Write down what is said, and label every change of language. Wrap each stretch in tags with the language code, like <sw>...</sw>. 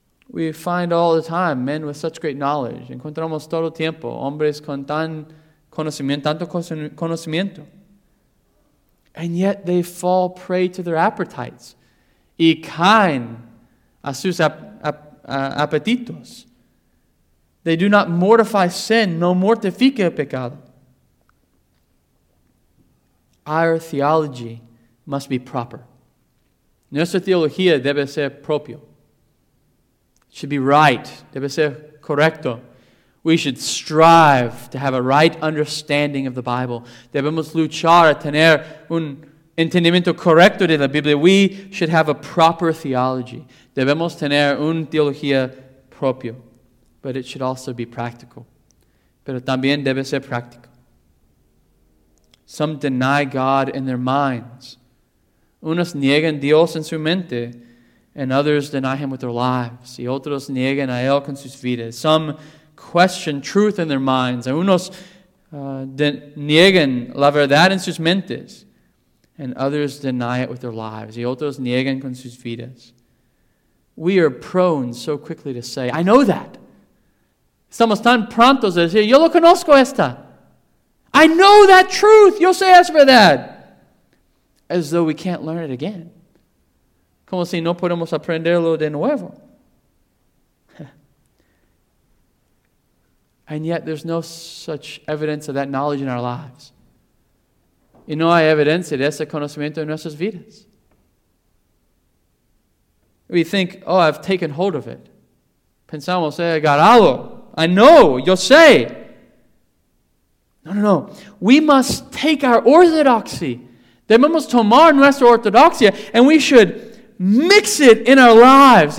<en>We find all the time men with such great knowledge.</en> <es>Encontramos todo el tiempo hombres con tanto conocimiento.</es> <en>And yet they fall prey to their appetites.</en> <es>Y caen a sus apetitos.</es> <en>They do not mortify sin,</en> <es>no mortifica el pecado.</es> <en>Our theology must be proper.</en> <es>Nuestra teología debe ser propia.</es> <en>Should be right.</en> <es>Debe ser correcto.</es> <en>We should strive to have a right understanding of the Bible.</en> <es>Debemos luchar a tener un entendimiento correcto de la Biblia.</es> <en>We should have a proper theology.</en> <es>Debemos tener un teología propio.</es> <en>But it should also be practical.</en> <es>Pero también debe ser práctico.</es> <en>Some deny God in their minds.</en> <es>Unos niegan Dios en su mente.</es> <en>And others deny Him with their lives.</en> <es>Y otros niegan a Él con sus vidas.</es> <en>Some question truth in their minds.</en> <es>Unos niegan la verdad en sus mentes.</es> <en>And others deny it with their lives.</en> <es>Y otros niegan con sus vidas.</es> <en>We are prone so quickly to say, I know that.</en> <es>Estamos tan prontos a decir, yo lo conozco esta.</es> <en>I know that truth.</en> <es>Yo sé esa verdad.</es> <en>As though we can't learn it again.</en> <es>Como si no podemos aprenderlo de nuevo.</es> <en>And yet there's no such evidence of that knowledge in our lives.</en> <es>Y no hay evidencia de ese conocimiento en nuestras vidas.</es> <en>We think, oh, I've taken hold of it.</en> <es>Pensamos, he agarrado.</es> <en>I know,</en> <es>yo sé.</es> <en>No. We must take our orthodoxy.</en> <es>Debemos tomar nuestra ortodoxia</es> <en>and we should mix it in our lives.</en>